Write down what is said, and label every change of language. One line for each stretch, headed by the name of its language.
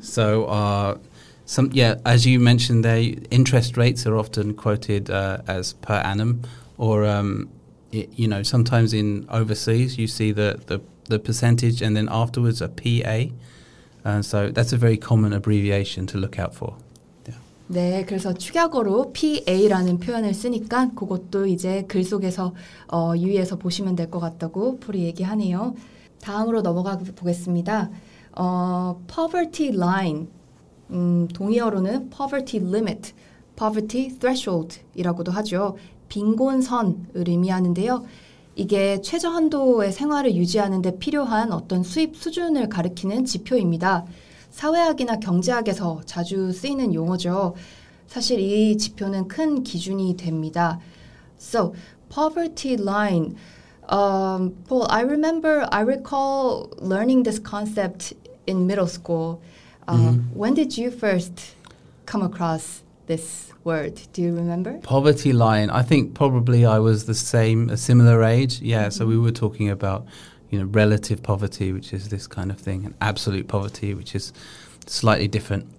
English: So, as you mentioned there, interest rates are often quoted as per annum. Or, sometimes in overseas, you see the percentage and then afterwards a PA. So that's a very common abbreviation to look out for.
Korean: 네, 그래서 축약어로 PA라는 표현을 쓰니까 그것도 이제 글 속에서 유의해서 보시면 될 것 같다고 폴이 얘기하네요. 다음으로 넘어가 보겠습니다. Poverty line, 동의어로는 poverty limit, poverty threshold이라고도 하죠. 빈곤선을 의미하는데요. 이게 최저한도의 생활을 유지하는 데 필요한 어떤 수입 수준을 가리키는 지표입니다. 사회학이나 경제학에서 자주 쓰이는 용어죠. 사실 이 지표는 큰 기준이 됩니다.
English: So, poverty line. Paul, I recall learning this concept in middle school. When did you first come across this word? Do you remember? Poverty line. I think probably I was a similar age. Yeah, mm-hmm. So we were talking about relative poverty, which is this kind of thing, and absolute poverty, which is slightly different.